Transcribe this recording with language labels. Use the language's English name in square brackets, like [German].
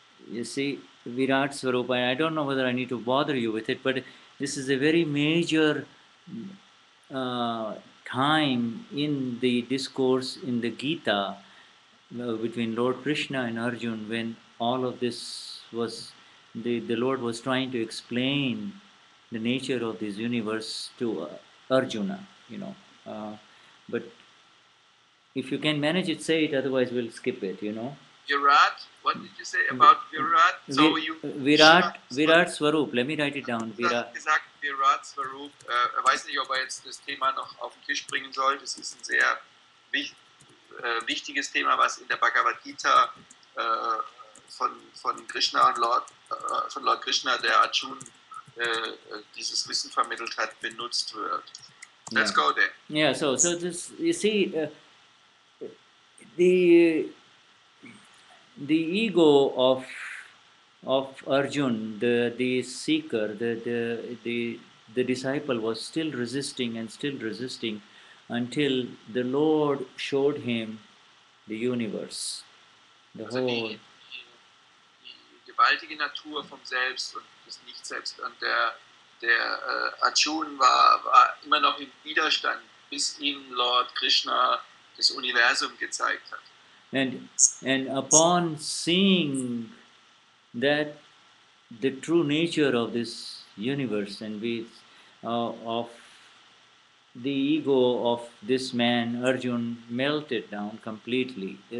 [English] You see, Virat Swarup, and I don't know whether I need to bother you with it, but this is a very major time in the discourse in the Gita between Lord Krishna and Arjun when all of this was, the Lord was trying to explain the nature of this universe to Arjuna, you know. But if you can manage it, say it, otherwise we'll skip it, you know. Virat, what did you say about Virat? So you Virat Swarup, let me write it down. Virat. [German] Gesagt, Virat Swarup, ich weiß nicht, ob er jetzt das Thema noch auf den Tisch bringen soll. Das ist ein sehr wichtiges Thema, was in der Bhagavad Gita von Lord Krishna, der Arjuna, dieses Wissen vermittelt hat, benutzt wird. [English] Let's go there. Yeah, so this, you see, the ego of Arjun, the seeker, the disciple was still resisting and still resisting until the Lord showed him the universe, the whole. [German] Die gewaltige Natur vom Selbst und nicht selbst und der Arjun war immer noch im Widerstand, bis ihm Lord Krishna das Universum gezeigt hat. [English] And upon seeing that the true nature of this universe and of the ego of this man, Arjun melted down completely.